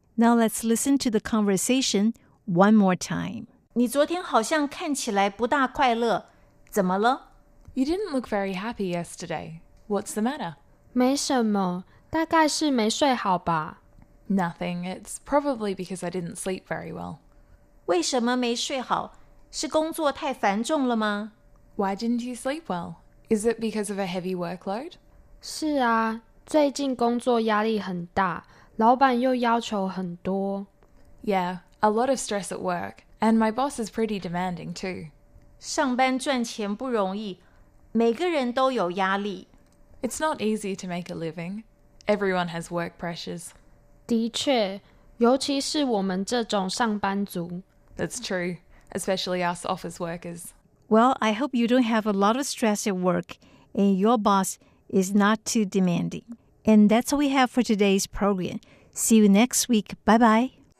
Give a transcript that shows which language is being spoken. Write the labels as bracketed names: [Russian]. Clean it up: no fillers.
[English] Now let's listen to the conversation one more time. [Chinese] 你昨天好像看起来不大快乐，怎么了？ [English] You didn't look very happy yesterday. What's the matter? [Chinese] 没什么，大概是没睡好吧。 [English] Nothing. It's probably because I didn't sleep very well. [Chinese] 为什么没睡好？是工作太繁重了吗？ [English] Why didn't you sleep well? Is it because of a heavy workload? [Chinese] 是啊，最近工作压力很大，老板又要求很多。 [English] Yeah, a lot of stress at work, and my boss is pretty demanding too. [Chinese] 上班赚钱不容易。每个人都有压力。 [English] It's not easy to make a living. Everyone has work pressures. [Chinese] 的确，尤其是我们这种上班族。 [English] That's true, especially us office workers. Well, I hope you don't have a lot of stress at work and your boss is not too demanding. And that's all we have for today's program. See you next week. Bye-bye.